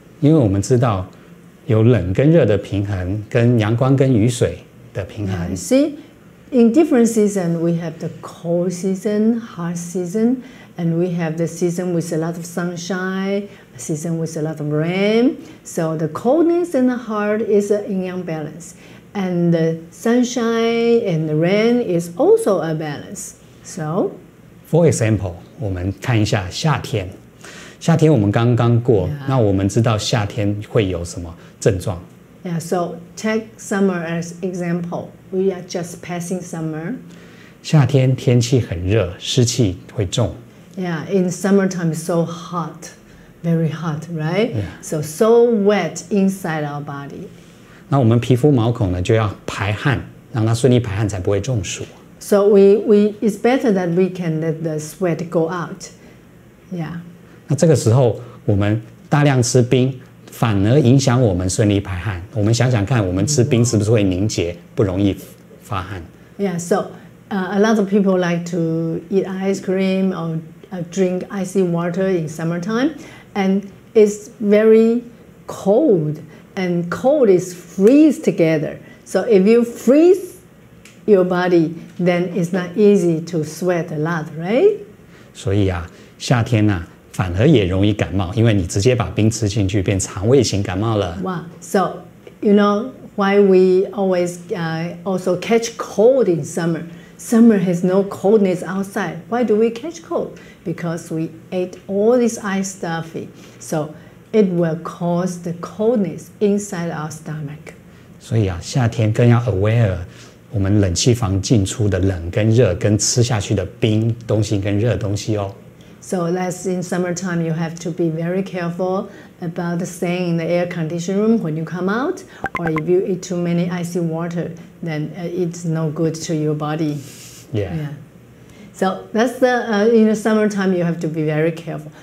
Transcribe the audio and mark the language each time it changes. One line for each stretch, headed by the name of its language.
Chinese: 因为我们知道有冷跟热的平衡，跟阳光跟雨水的平衡。
English: See, in different season, we have the cold season, hot season, and we have the season with a lot of sunshine, season with a lot of rain. So the coldness in the heart is in yang balance. And the sunshine and the rain is also a balance. So, for example,
Chinese: 我们看一下夏天。夏天我们刚刚过、yeah. 那我们知道夏天会有什么症状。
English: Yeah, so take summer as example. We are just passing summer.
Chinese: 夏天天气很热，湿气会重。
English: Yeah, in summertime it's so hot, very hot, right? Yeah. So wet inside our body.
Chinese: 那我们皮肤毛孔呢，就要排汗，让它顺利排汗，才不会中暑。
English: So we it's better that we can let the sweat go out. Yeah.
Chinese: 那这个时候我们大量吃冰。反而影响我们顺利排汗。我们想想看，我们吃冰是不是会凝结，不容易发汗
English: ？Yeah, so a lot of people like to eat ice cream or drink icy water in summertime, and it's very cold. And cold is freeze together. So if you freeze your body, then it's not easy to sweat a lot, right?
Chinese: 所以啊，夏天啊。反而也容易感冒，因为你直接把冰吃进去，变肠胃型感冒了。
English: Wow, so you know why we always also catch cold in summer? Summer has no coldness outside. Why do we catch cold? Because we ate all this ice stuff, so it will cause the coldness inside our stomach.
Chinese: 所以啊，夏天更要 aware 我们冷气房进出的冷跟热，跟吃下去的冰东西跟热东西哦。
English: So that's in summertime, you have to be very careful about staying in the air conditioned room when you come out. Or if you eat too many icy water, then it's no good to your body. Yeah. So that's the, in the summertime, you have to be very careful.